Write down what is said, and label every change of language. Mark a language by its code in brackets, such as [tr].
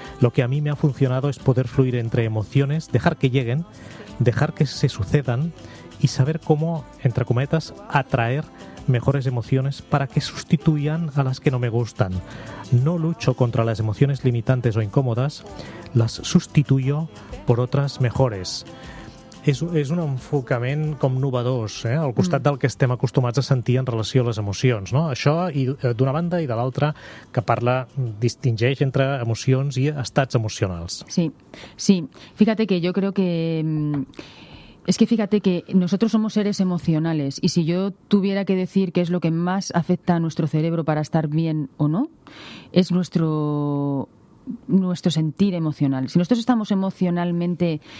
[es] Lo que a mí me ha funcionado es poder fluir entre emociones, dejar que lleguen, dejar que se sucedan y saber cómo, entre cometas, atraer mejores emociones para que sustituyan a las que no me gustan. No lucho contra las emociones limitantes o incómodas, las sustituyo por otras mejores. [ca] És un enfocament com novedós, al costat del que estem acostumats a sentir en relació a les emocions, no? Això d'una banda, i de l'altra, que parla, distingeix entre emocions i estats emocionals. [es] Sí, sí. Fíjate que yo creo que... Es que fíjate que nosotros somos seres emocionales, y si yo tuviera que decir qué es lo que más afecta a nuestro cerebro para estar bien o no, es nuestro sentir emocional. Si nosotros estamos emocionalmente...